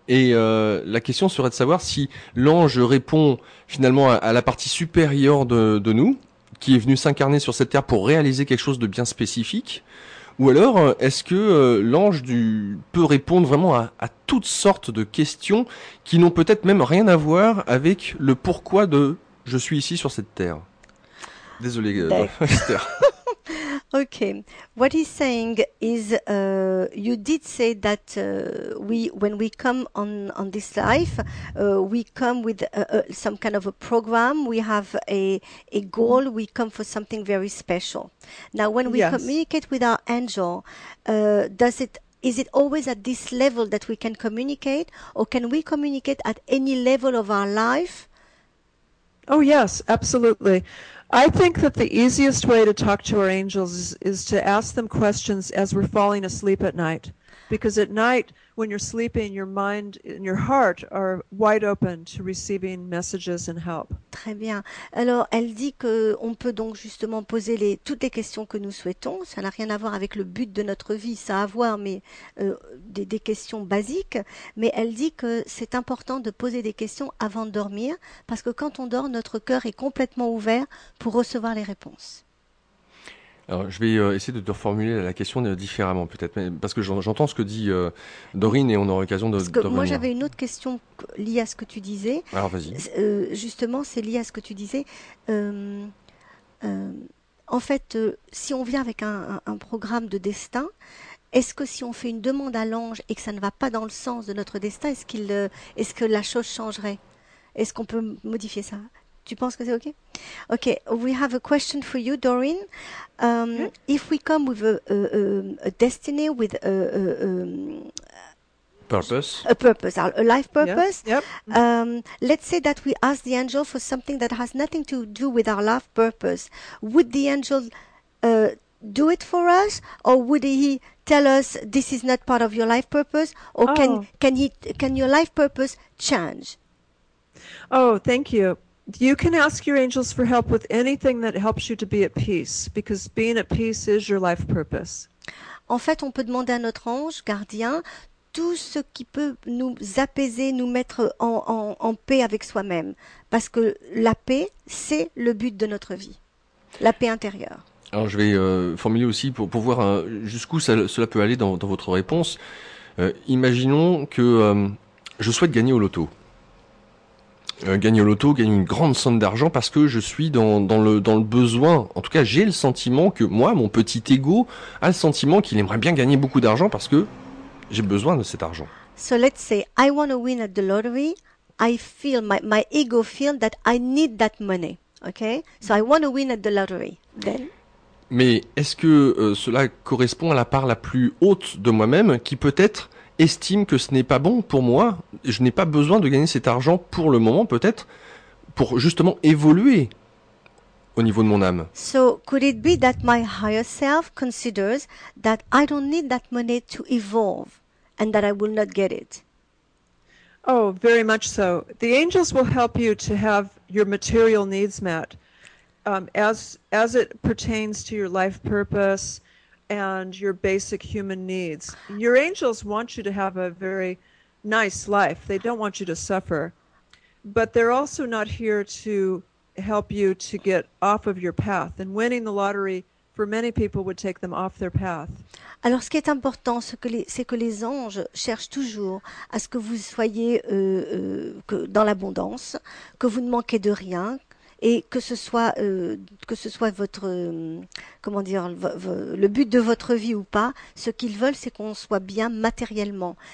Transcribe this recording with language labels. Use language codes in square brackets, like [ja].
[fr] Et la question serait de savoir si l'ange répond finalement à la partie supérieure de nous, qui est venue s'incarner sur cette terre pour réaliser quelque chose de bien spécifique, ou alors est-ce que l'ange peut répondre vraiment à toutes sortes de questions qui n'ont peut-être même rien à voir avec le pourquoi de « je suis ici sur cette terre ». Désolé, Esther. [en] Okay, what he's saying is, you did say that when we come on this life, we come with some kind of a program. We have a goal. We come for something very special. Now, when we communicate with our angel, is it always at this level that we can communicate, or can we communicate at any level of our life? Oh, yes, absolutely. I think that the easiest way to talk to our angels is to ask them questions as we're falling asleep at night. Because at night, when you're sleeping, your mind and your heart are wide open to receiving messages and help. [fr] Très bien. Alors, elle dit qu'on peut donc justement poser toutes les questions que nous souhaitons. Ça n'a rien à voir avec le but de notre vie, ça a à voir, mais des questions basiques. Mais elle dit que c'est important de poser des questions avant de dormir, parce que quand on dort, notre cœur est complètement ouvert pour recevoir les réponses. Alors, je vais essayer de te reformuler la question différemment, peut-être, parce que j'entends ce que dit Dorine et on aura l'occasion de revenir. Moi, venir. J'avais une autre question liée à ce que tu disais. Alors, vas-y. Justement, c'est lié à ce que tu disais. En fait, si on vient avec un programme de destin, est-ce que si on fait une demande à l'ange et que ça ne va pas dans le sens de notre destin, est-ce que la chose changerait? Est-ce qu'on peut modifier ça? Tu penses que c'est OK? [en] OK, we have a question for you, Doreen. If we come with a destiny, with a purpose, a life purpose, let's say that we ask the angel for something that has nothing to do with our life purpose, would the angel do it for us, or would he tell us this is not part of your life purpose, or can your life purpose change? Oh, thank you. You can ask your angels for help with anything that helps you to be at peace, because being at peace is your life purpose. [fr] En fait, on peut demander à notre ange gardien tout ce qui peut nous apaiser, nous mettre en paix avec soi-même, parce que la paix, c'est le but de notre vie, la paix intérieure. Alors, je vais formuler aussi pour voir jusqu'où cela peut aller dans votre réponse. Imaginons que je souhaite gagner au loto. Gagner au loto, gagner une grande somme d'argent parce que je suis dans le besoin. En tout cas, j'ai le sentiment que moi, mon petit ego, a le sentiment qu'il aimerait bien gagner beaucoup d'argent parce que j'ai besoin de cet argent. [en] So let's say I want to win at the lottery. I feel my ego feel that I need that money. Okay? So I want to win at the lottery. Then. [fr] Mais est-ce que cela correspond à la part la plus haute de moi-même qui peut-être estime que ce n'est pas bon pour moi, je n'ai pas besoin de gagner cet argent pour le moment, peut-être, pour justement évoluer au niveau de mon âme. [en] So, could it be that my higher self considers that I don't need that money to evolve and that I will not get it? Oh, very much so. The angels will help you to have your material needs met as it pertains to your life purpose and your basic human needs. Your angels want you to have a very nice life. They don't want you to suffer. But they're also not here to help you to get off of your path. And winning the lottery for many people would take them off their path. [fr] Alors, ce qui est important, c'est que les anges cherchent toujours à ce que vous soyez dans l'abondance, que vous ne manquez de rien. Et que ce soit votre comment dire le but de votre vie ou pas, ce qu'ils veulent, c'est qu'on soit bien matériellement.